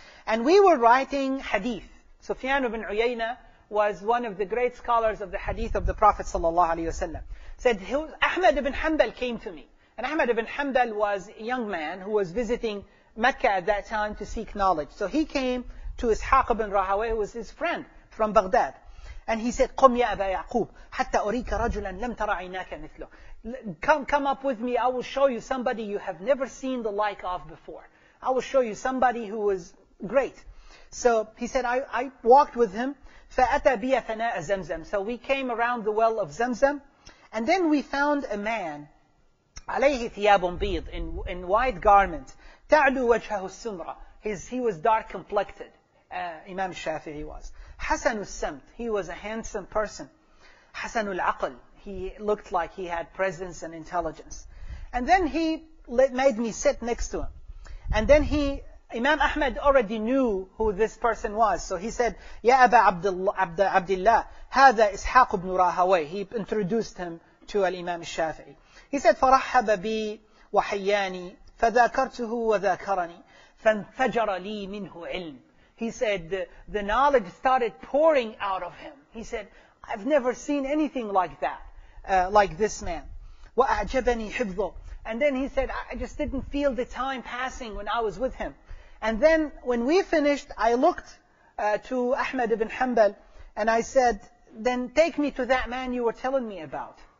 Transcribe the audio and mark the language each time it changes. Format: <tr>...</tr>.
<en>And we were writing hadith. Sufyan ibn Uyayna was one of the great scholars of the hadith of the Prophet sallallahu alayhi wasallam. Said, Ahmad ibn Hanbal came to me. And Ahmad ibn Hanbal was a young man who was visiting Mecca at that time to seek knowledge. So he came to Ishaq ibn Rahaway, who was his friend from Baghdad. And he said,</en> <ar>قُمْ يَا أَبَا يَعْقُوبُ حَتَّى أُرِيكَ رَجُلًا لَمْ تَرَ عَيْنَاكَ مِثْلُهُ.</ar> <en>Come up with me, I will show you somebody you have never seen the like of before. I will show you somebody who is great. So he said, I walked with him.</en> <ar>فَأَتَى بِيَ فَنَاءَ زَمْزَمْ.</ar> <en>So we came around the well of Zamzam. And then we found a man,</en> <ar>عليه ثياب بيض,</ar> <en>in white garment,</en> <ar>تعلو وجهه السمرة.</ar> <en>He was dark complected. Imam Shafi'i was.</en> <ar>حسن السمت.</ar> <en>He was a handsome person.</en> <ar>حسن العقل.</ar> <en>He looked like he had presence and intelligence. And then he made me sit next to him. And then Imam Ahmad already knew who this person was. So he said,</en> <ar>يا أبا عبد الله هذا إسحاق بن راهوي.</ar> <en>He introduced him to Imam Shafi'i. He said,</en> <ar>فرحب بي وحياني فذاكرته وذاكرني فانفجر لي منه علم.</ar> <en>He said, the knowledge started pouring out of him. He said, I've never seen anything like that, like this man.</en> <ar>وأعجبني حفظه.</ar> <en>And then he said, I just didn't feel the time passing when I was with him. And then when we finished, I looked to Ahmad ibn Hanbal and I said, then take me to that man you were telling me about.</en>